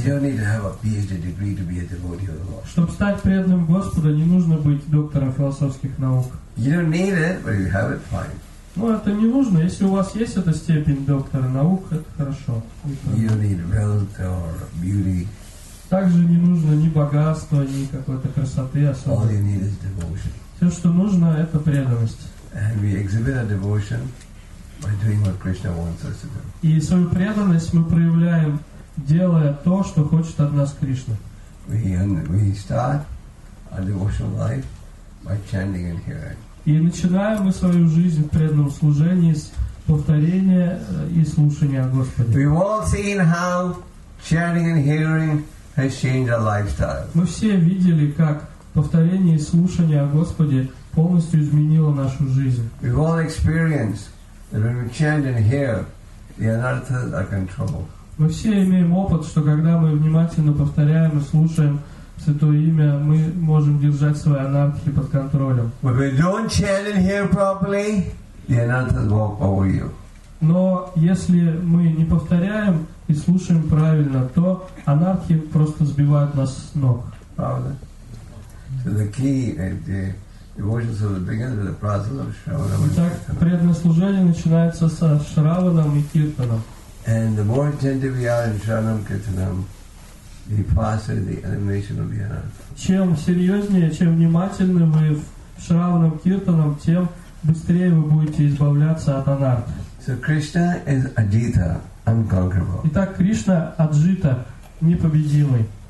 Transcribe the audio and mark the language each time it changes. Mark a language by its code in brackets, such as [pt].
[en] You don't need to have a PhD degree to be a devotee of the Lord. [ru] Чтобы стать преданным Господа, не нужно быть доктором философских наук. [en] You don't need it, but if you have it, fine. [ru] Ну, это не нужно. Если у вас есть эта степень доктора наук, это хорошо. [en] You don't need wealth or beauty. [ru] Также не нужно ни богатства, ни какой-то красоты особой. [en] All you need is devotion. [ru] Все, что нужно, это преданность. [en] And we exhibit our devotion by doing what Krishna wants us to do. [ru] И свою преданность мы проявляем, делая то, что хочет от нас Кришна. [en] We start our devotional life by chanting and hearing. [ru] И начинаем мы свою жизнь в преданном служении с повторения и слушания о Господе. [en] We've all seen how chanting and hearing has changed our lifestyle. [ru] Мы все видели, как повторение и слушание о Господе полностью изменило нашу жизнь. [en] We've all experienced that when we chant and hear, the anarthas are controlled. [ru] Мы все имеем опыт, что когда мы внимательно повторяем и слушаем Святое Имя, мы можем держать свои анархи под контролем. [en] But if you don't chant and hear properly, the anarthas walk over you. [ru] Но если мы не повторяем и слушаем правильно, то анархи просто сбивают нас с ног. Правда? [en] So the key, the devotions of the beginning of the process of Shravanam. [ru] Итак, преданное служение начинается с Шраванам и Киртаном. [en] And the more attentive we are in Shravanam Kirtanam, the faster the elimination will be anarchy. [ru] Чем серьезнее, чем внимательнее вы в Шраванам Киртанам, тем быстрее вы будете избавляться от анарх. [en] So Krishna is Ajita, unconquerable. [ru] Итак, Кришна Аджита, непобедимый.